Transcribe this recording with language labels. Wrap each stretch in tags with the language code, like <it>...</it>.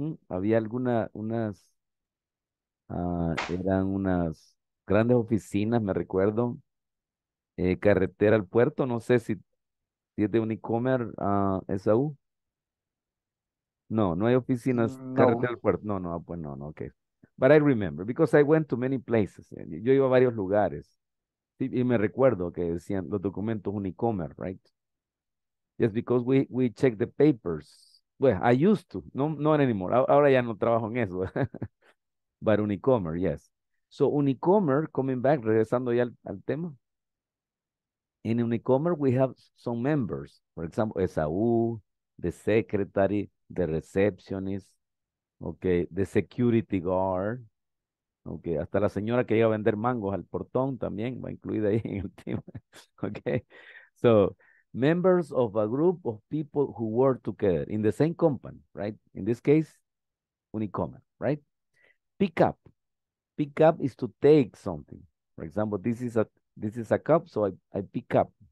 <es>Había unas eran unas grandes oficinas, me recuerdo. Carretera al puerto, no sé si es de Unicomer, Esaú. No, no hay oficinas, no. Carretera al puerto. No, no, pues no, no, okay.</es> <en>But I remember, because I went to many places.</en> <es>Yo iba a varios lugares. Y me recuerdo que decían los documentos Unicomer, right?</es> <en>Yes, because we check the papers. Well, I used to, no, not anymore.</en> <es>Ahora ya no trabajo en eso.</es> <en>But Unicomer, yes. So Unicomer, coming back,</en> <es>regresando ya al tema.</es> <en>In Unicomer, we have some members. For example, Esaú, the secretary, the receptionist. Okay, the security guard.</en> <es>Okay, hasta la señora que iba a vender mangos al portón también va incluida ahí en el team.</es> <en>Okay, so members of a group of people who work together in the same company, right? In this case, Unicomer, right? Pick up. Pick up is to take something. For example, this is a cup, so I pick up.</en>